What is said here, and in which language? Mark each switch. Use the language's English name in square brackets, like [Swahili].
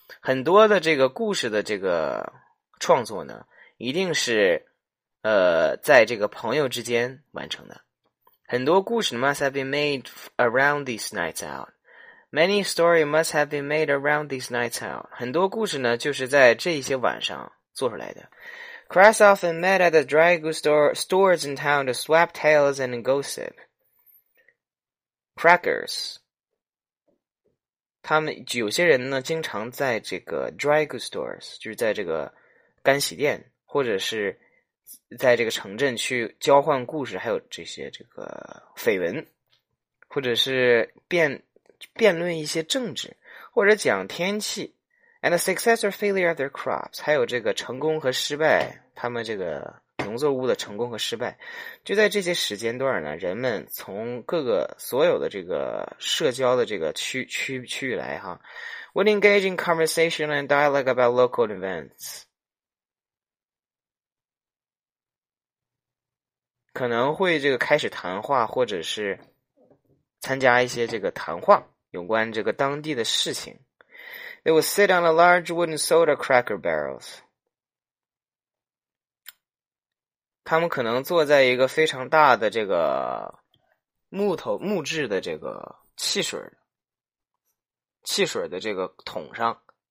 [Chinese] 很多的这个故事的这个创作呢一定是在这个朋友之间完成的。很多故事 [English] must have been made around these nights out. Many stories must have been made around these nights out. [Chinese] 很多故事呢就是在这一些晚上做出来的。 [English] Crowds often met at the dry goods stores in town to swap tales and gossip. [Chinese] Crackers. 他们有些人呢经常在这个 dry goods stores, 就是在这个干洗店或者是在这个城镇去交换故事，还有这些这个绯闻，或者是辩论一些政治，或者讲天气 ， [English] and the success or failure of their crops， [Chinese] 还有这个成功和失败，他们这个农作物的成功和失败，就在这些时间段呢，人们从各个所有的这个社交的这个区域来哈 ， [English] would engage in conversation and dialogue about local events。 [Chinese] 可能会这个开始谈话，或者是参加一些这个谈话，有关这个当地的事情。 [English] They would sit on a large wooden soda cracker barrels。 [Chinese] 他们可能坐在一个非常大的这个木质的这个汽水的这个桶上。